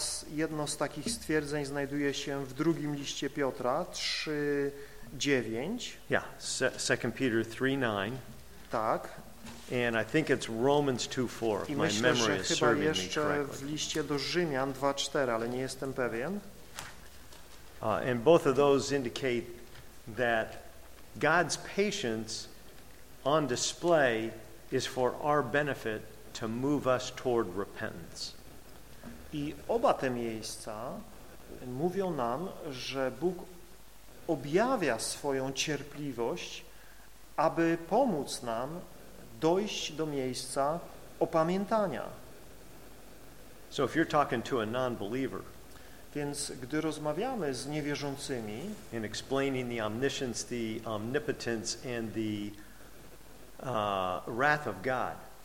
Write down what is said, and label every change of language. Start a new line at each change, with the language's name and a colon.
Polish: Jedno z takich stwierdzeń znajduje się w drugim liście Piotra 3:9.
English: Yeah, 2 Peter 3:9.
Polish: Tak.
English: And I think it's Romans 2:4.
Polish: I myślę,
English: my memory is
Polish: chyba jeszcze w liście do Rzymian 2:4, ale nie jestem pewien.
English: And both of those indicate that God's patience on display is for our benefit to move us toward repentance.
Polish: I oba te miejsca mówią nam, że Bóg objawia swoją cierpliwość, aby pomóc nam dojść do miejsca opamiętania.
English: So if you're talking to a non-believer,
Polish: więc gdy rozmawiamy z niewierzącymi,
English: in explaining the omniscience, the omnipotence and the wrath of God,